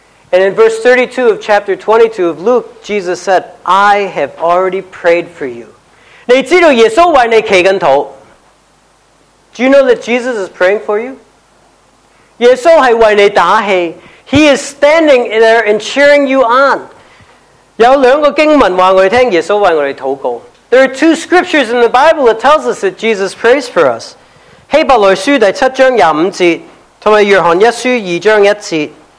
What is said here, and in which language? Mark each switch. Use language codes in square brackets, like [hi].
[en] And in verse 32 of chapter 22 of Luke, Jesus said, I have already prayed for you. [yue] 你知道耶稣为你祈祷. [en] Do you know that Jesus is praying for you? [yue] 耶稣是为你打气, [en] he is standing there and cheering you on. [yue] 有两个经文告诉我们耶稣为我们祷告. [en] There are two scriptures in the Bible that tells us that Jesus prays for us. [yue] 希伯来书第7章25节和约翰一书2章1节